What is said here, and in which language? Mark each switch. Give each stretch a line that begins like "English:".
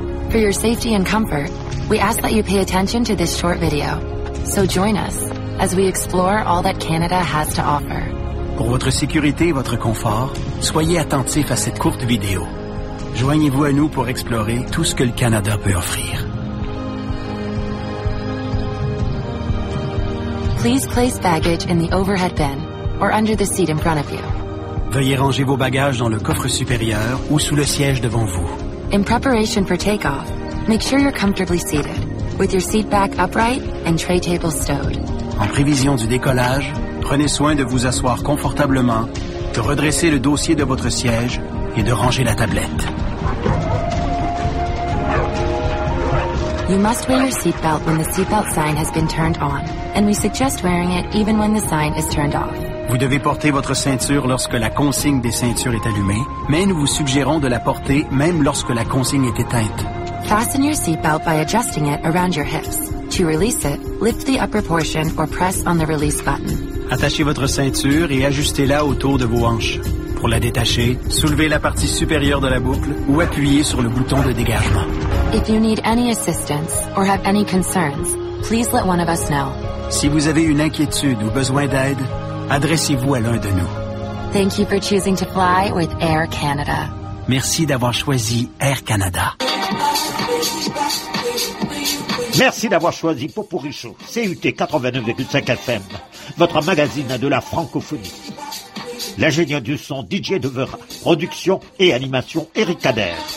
English: For your safety and comfort, we ask that you pay attention to this short video. So join us as we explore all that Canada has to offer.
French: Pour votre sécurité et votre confort, soyez attentifs à cette courte vidéo. Joignez-vous à nous pour explorer tout ce que le Canada peut offrir.
English: Please place baggage in the overhead bin or under the seat in front of you.
French: Veuillez ranger vos bagages dans le coffre supérieur ou sous le siège devant vous.
English: In preparation for takeoff, make sure you're comfortably seated with your seat back upright and tray table stowed.
French: En prévision du décollage, prenez soin de vous asseoir confortablement, de redresser le dossier de votre siège et de ranger la tablette.
English: You must wear your seatbelt when the seatbelt sign has been turned on, and we suggest wearing it even when the sign is turned off.
French: Vous devez porter votre ceinture lorsque la consigne des ceintures est allumée, mais nous vous suggérons de la porter même lorsque la consigne est éteinte.
English: Fasten your seatbelt by adjusting it around your hips. To release it, lift the upper portion or press on the release button.
French: Attachez votre ceinture et ajustez-la autour de vos hanches. Pour la détacher, soulevez la partie supérieure de la boucle ou appuyez sur le bouton de dégagement.
English: If you need any assistance or have any concerns, please let one of us know.
French: Si vous avez une inquiétude ou besoin d'aide, adressez-vous à l'un de nous.
English: Thank you for choosing to fly with Air Canada.
French: Merci d'avoir choisi Air Canada. Merci d'avoir choisi Popourri Show, CUT 89,5 FM, votre magazine de la francophonie. L'ingénieur du son DJ Devera, production et animation Eric Kader.